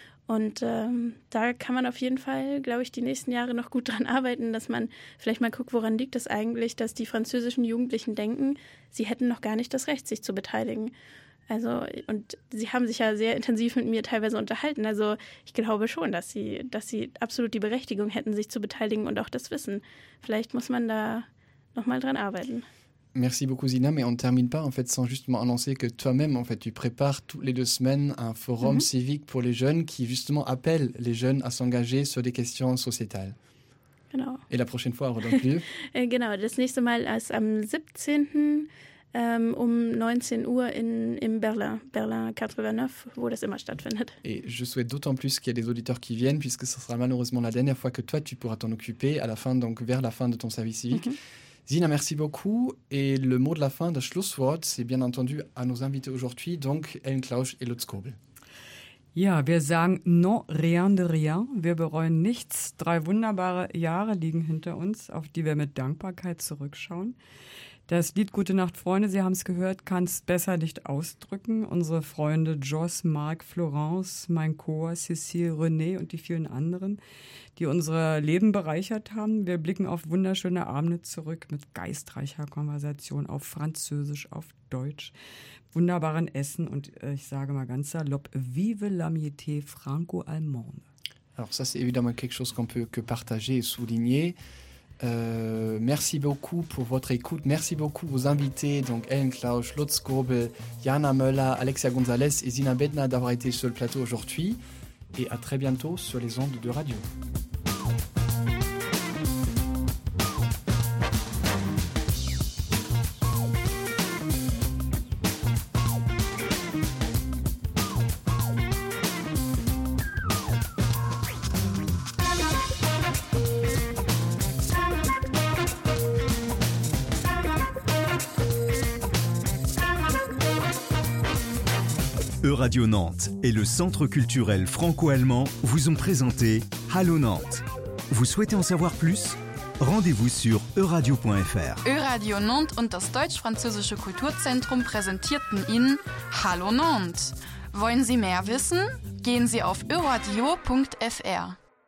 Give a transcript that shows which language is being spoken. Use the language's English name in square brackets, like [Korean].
[German] Und da kann man auf jeden Fall, glaube ich, die nächsten Jahre noch gut dran arbeiten, dass man vielleicht mal guckt, woran liegt das eigentlich, dass die französischen Jugendlichen denken, sie hätten noch gar nicht das Recht, sich zu beteiligen. Also, und sie haben sich ja sehr intensiv mit mir teilweise unterhalten. Also ich glaube schon, dass sie absolut die Berechtigung hätten, sich zu beteiligen und auch das Wissen. Vielleicht muss man da nochmal dran arbeiten. [French] Merci beaucoup Zina, mais on ne termine pas en fait sans justement annoncer que toi-même en fait tu prépares toutes les 2 semaines un forum civique pour les jeunes qui justement appelle les jeunes à s'engager sur des questions sociétales. [German] Genau. [French] Et la prochaine fois, redonne plus. [German] Genau, das nächste Mal ist am 17. um 19 Uhr in Berlin 89, wo das immer stattfindet. [French] Et je souhaite d'autant plus qu'il y a des auditeurs qui viennent puisque ce sera malheureusement la dernière fois que toi tu pourras t'en occuper à la fin, donc vers la fin de ton service civique. Zina, merci beaucoup. Et le mot de la fin, [German] das Schlusswort, [French] c'est bien entendu à nos invités aujourd'hui, donc Ellen Klausch et Lutz Kobel. [German] Ja, wir sagen [French] non, rien de rien. [German] Wir bereuen nichts. 3 wunderbare Jahre liegen hinter uns, auf die wir mit Dankbarkeit zurückschauen. Das Lied Gute Nacht, Freunde, Sie haben es gehört, kann es besser nicht ausdrücken. Unsere Freunde Joss, Marc, Florence, mein Chor, Cécile, René und die vielen anderen, die unser Leben bereichert haben. Wir blicken auf wunderschöne Abende zurück mit geistreicher Konversation auf Französisch, auf Deutsch, wunderbaren Essen und ich sage mal ganz salopp, [French] vive l'amitié franco-allemande. Alors, ça, c'est évidemment quelque chose qu'on peut que partager et souligner. Merci beaucoup pour votre écoute. Merci beaucoup aux invités, donc Ellen Klausch, Lutz Kobel, Jana Möller, Alexia Gonzalez et Zina Bedna d'avoir été sur le plateau aujourd'hui. et à très bientôt sur les ondes de radio. Radio Nantes et le Centre culturel franco-allemand vous ont présenté Hallo Nantes. Vous souhaitez en savoir plus? Rendez-vous sur euradio.fr. [German] Euradio Nantes und das Deutsch-Französische Kulturzentrum präsentierten Ihnen Hallo Nantes. Wollen Sie mehr wissen? Gehen Sie auf euradio.fr.